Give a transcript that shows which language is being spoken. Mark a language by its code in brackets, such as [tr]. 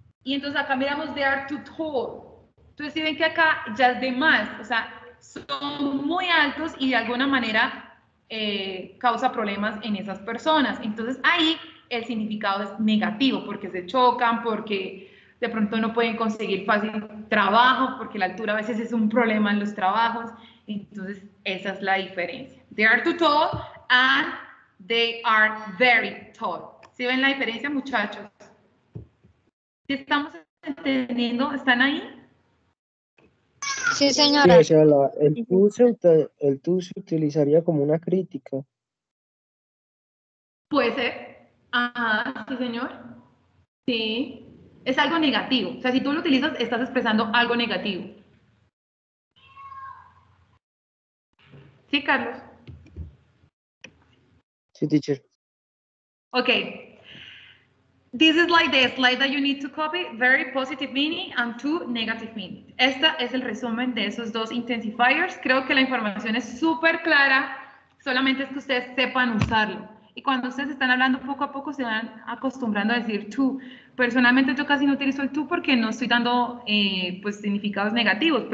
[es] Y entonces acá miramos [en] they are too tall. [es] Entonces, si ven que acá ya es de más, o sea, son muy altos y de alguna manera causa problemas en esas personas. Entonces, ahí el significado es negativo porque se chocan, porque de pronto no pueden conseguir fácil trabajo, porque la altura a veces es un problema en los trabajos. Entonces, esa es la diferencia. [en] They are too tall and they are very tall. [es] ¿Sí ven la diferencia, muchachos? ¿Sí estamos entendiendo? ¿Están ahí? Sí, señora. Sí, o sea, el tú se utilizaría como una crítica. Puede ser. Ajá, sí, señor. Sí. Es algo negativo. O sea, si tú lo utilizas, estás expresando algo negativo. ¿Sí, Carlos? Sí, teacher. [en] Ok. This is like the slide that you need to copy. Very positive meaning and two negative meaning. [es] Este es el resumen de esos dos intensifiers. Creo que la información es súper clara. Solamente es que ustedes sepan usarlo. Y cuando ustedes están hablando poco a poco, se van acostumbrando a decir tú. Personalmente, yo casi no utilizo el tú porque no estoy dando pues, significados negativos.